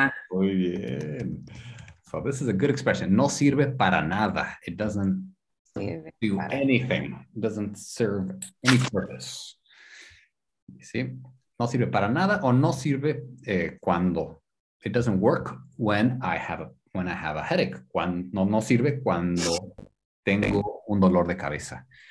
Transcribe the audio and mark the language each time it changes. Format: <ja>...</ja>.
<en>Muy bien. So this is a good expression. No sirve para nada. It doesn't do anything. It doesn't serve any purpose. You see?</en> <es>No sirve para nada o no sirve cuando.</es> <en>It doesn't work when I have a headache.</en> <es>No sirve cuando tengo un dolor de cabeza.</es>